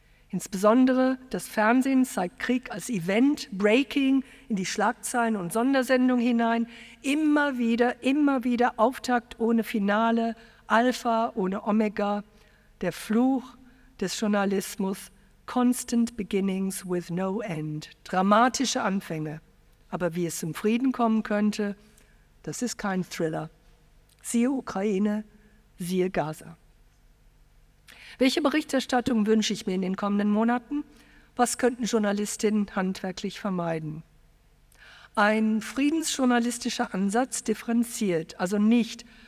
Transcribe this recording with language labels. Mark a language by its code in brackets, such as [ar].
[de] Insbesondere das Fernsehen zeigt Krieg als Event, Breaking in die Schlagzeilen und Sondersendungen hinein. Immer wieder Auftakt ohne Finale, Alpha ohne Omega. Der Fluch des Journalismus. [en] Constant beginnings with no end. [de] Dramatische Anfänge. Aber wie es zum Frieden kommen könnte, das ist kein Thriller. Siehe Ukraine, siehe Gaza. Welche Berichterstattung wünsche ich mir in den kommenden Monaten? Was könnten Journalistinnen handwerklich vermeiden? Ein friedensjournalistischer Ansatz differenziert, also nicht